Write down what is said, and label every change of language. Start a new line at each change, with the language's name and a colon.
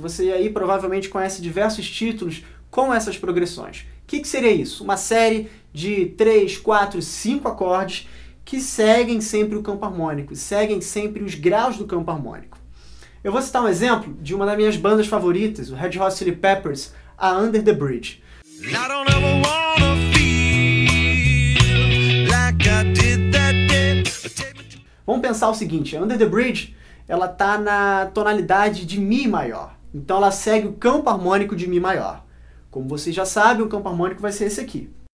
Portuguese: Você aí provavelmente conhece diversos títulos com essas progressões. O que, que seria isso? Uma série de 3, 4, 5 acordes que seguem sempre o campo harmônico, seguem sempre os graus do campo harmônico. Eu vou citar um exemplo de uma das minhas bandas favoritas, o Red Hot Chili Peppers, a Under the Bridge.
English: I don't ever wanna feel like I did that day.
Portuguese: Vamos pensar o seguinte, a Under the Bridge, ela tá na tonalidade de Mi maior, então ela segue o campo harmônico de Mi maior. Como vocês já sabem, o campo harmônico vai ser esse aqui.